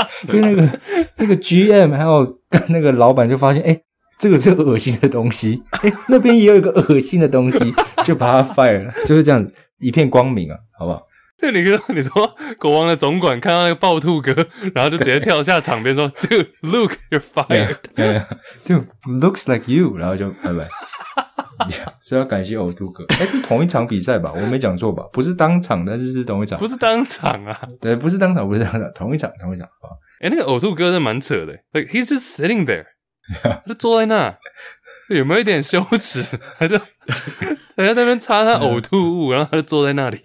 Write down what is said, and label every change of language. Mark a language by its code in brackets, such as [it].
[zh] 就那个 GM 还有那个老板就发现，诶，这个是恶心的东西，诶，那边也有一个恶心的东西，就把它 fire 了，就是这样一片光明啊，好不好。对，你说国王的总管看到那个暴吐哥，然后就直接跳下场边说 Dude look you're fired [en] yeah, yeah, Dude looks like you，然后就拜拜。 [zh] Yeah, 是要感谢呕吐哥，诶，是同一场比赛吧，我没讲错吧，不是当场，但是是同一场，不是当场啊，对，不是当场，不是当场，同一场，同一场。诶，那个呕吐哥真的蛮扯的， Like he's just sitting there、yeah. 就坐在那，有没有一点羞耻，他就在那边擦他呕吐物，然后他就坐在那里。